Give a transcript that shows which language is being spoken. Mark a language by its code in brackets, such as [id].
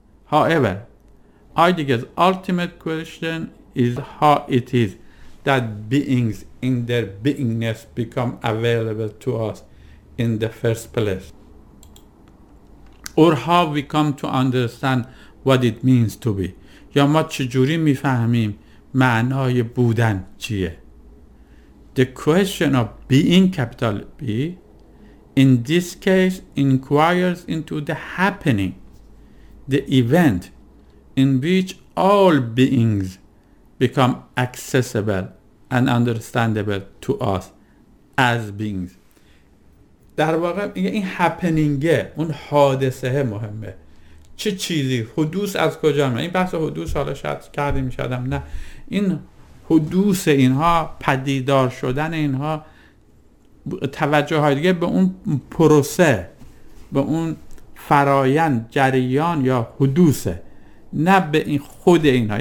[en] However, Heidegger's ultimate question is how it is that beings in their beingness become available to us in the first place, or how we come to understand what it means to be. [fa] یا ما چجوری میفهمیم معنای بودن چیه. [en] The question of being capital B in this case inquires into the happening, the event in which all beings become accessible and understandable to us as beings. [fa] در واقع این هپنینگه، اون حادثه مهمه. چه چیزی؟ حدوث از کجا میاد؟ این بحث حدوث حالا شاید کردیم شدم نه، این حدوث اینها، پدیدار شدن اینها، توجه های دیگه به اون پروسه، به اون فرایند، جریان یا حدوثه، نه به این خود اینها.